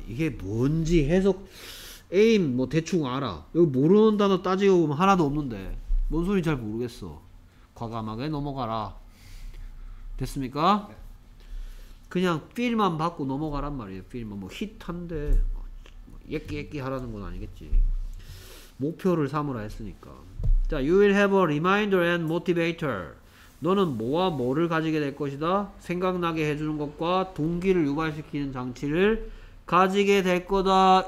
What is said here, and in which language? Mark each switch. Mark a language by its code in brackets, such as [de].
[ko] 이게 뭔지 해석 aim 뭐 대충 알아. 여기 모르는 단어 따지고 보면 하나도 없는데 뭔 소리인지 잘 모르겠어. 과감하게 넘어가라. 됐습니까? 그냥 필만 받고 넘어가란 말이에요. 필만 뭐 히트한데 예끼예끼 하라는 건 아니겠지. 목표를 삼으라 했으니까. [en] 자, you will have a reminder and motivator. [ko] 너는 뭐와 뭐를 가지게 될 것이다? 생각나게 해주는 것과 동기를 유발시키는 장치를 가지게 될 거다.